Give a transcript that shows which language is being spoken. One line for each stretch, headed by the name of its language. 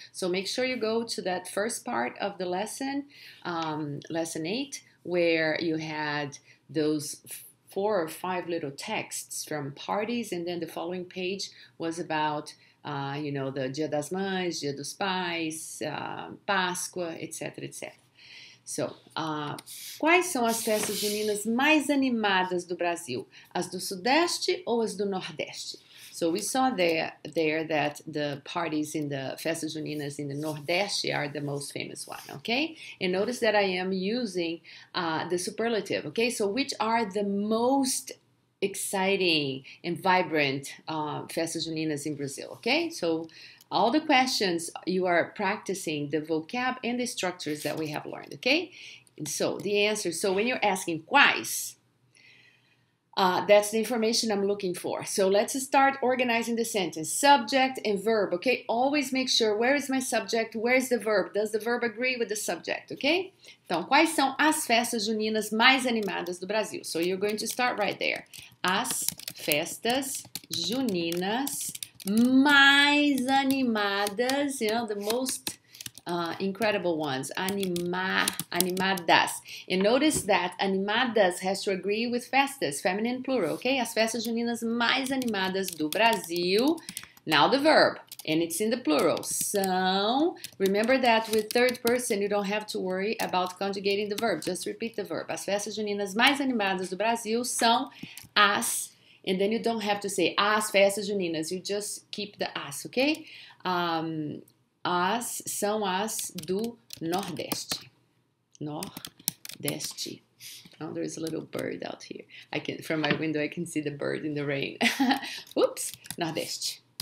English: So make sure you go to that first part of the lesson, lesson 8, where you had those four or five little texts from parties, and then the following page was about, you know, the Dia das Mães, Dia dos Pais, Páscoa, etc., etc.
Portuguese: So, quais são as festas juninas mais animadas do Brasil? As do Sudeste ou as do Nordeste?
English: So, we saw there that the parties in the festas juninas in the Nordeste are the most famous one, okay? And notice that I am using the superlative, okay? So, which are the most exciting and vibrant festas juninas in Brazil, okay? So, all the questions, you are practicing the vocab and the structures that we have learned, okay? And so, the answer, so when you're asking quais, that's the information I'm looking for. So let's start organizing the sentence. Subject and verb, okay? Always make sure, where is my subject? Where is the verb? Does the verb agree with the subject, okay?
Portuguese: Então, quais são as festas juninas mais animadas do Brasil?
English: So you're going to start right there.
Portuguese: As festas juninas mais animadas,
English: you know, the most incredible ones, animadas. And notice that animadas has to agree with festas, feminine plural, okay?
Portuguese: As festas juninas mais animadas do Brasil.
English: Now the verb, and it's in the plural. So, remember that with third person, you don't have to worry about conjugating the verb. Just repeat the verb.
Portuguese: As festas juninas mais animadas do Brasil são as.
English: And then you don't have to say
Portuguese: as festas juninas.
English: You just keep the as, okay?
Portuguese: As são as do Nordeste.
English: Nordeste. Oh, there's a little bird out here. From my window, I can see the bird in the rain. Oops, Nordeste.